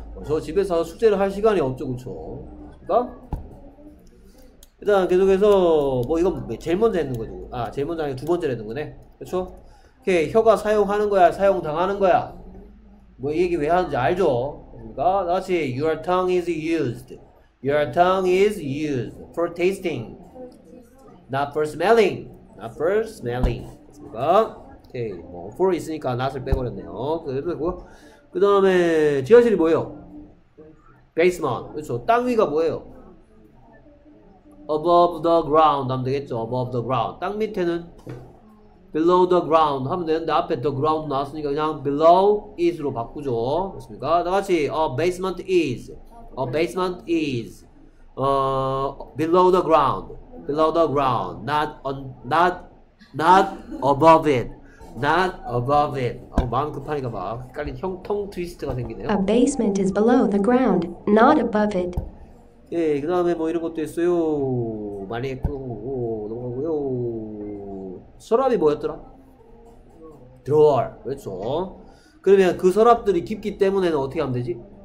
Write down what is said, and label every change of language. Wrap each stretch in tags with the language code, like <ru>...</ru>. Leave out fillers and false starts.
<ko>저 집에서 숙제를 할 시간이 없죠, 그쵸? 됐습니까? 일단 계속해서 뭐 이건 제일 먼저 했는 거죠. 아 제일 먼저 아니고 두 번째로 했는 거네. 그렇죠? 이렇게 혀가 사용하는 거야, 사용당하는 거야. 뭐 이 얘기 왜 하는지 알죠? 그러니까 다시</ko> <en>your tongue is used. Your tongue is used for tasting, not for smelling. Not for smelling.</en> <ko>그러니까 오케이 뭐 for 있으니까 not을 빼버렸네요. 그리고 그 다음에 지하실이 뭐예요?</ko> <en>Basement.</en> <ko>그렇죠? 땅 위가 뭐예요?</ko> <en>Above the ground</en> <ko>하면 되겠죠.</ko> <en>Above the ground.</en> <ko>땅 밑에는</ko> <en>below the ground</en> <ko>하면 되는데 앞에 the ground 나왔으니까 그냥 below is로 바꾸죠. 그렇습니까? 다 같이</ko> <en>a basement is below the ground. Below the ground. Not above it. Not above it.</en> <ko>어, 마음 급하니까 막 헷갈린 형통 트위스트가 생기네요.</ko> <en>A basement is below the ground, not above it.</en> <ko>예, 그 다음에 뭐 이런 것도 했어요. 많이 했고 넘어가고요. 서랍이 뭐였더라? Drawer. 그렇죠. 그러면 그 서랍들이 깊기 때문에는 어떻게 하면 되지?</ko>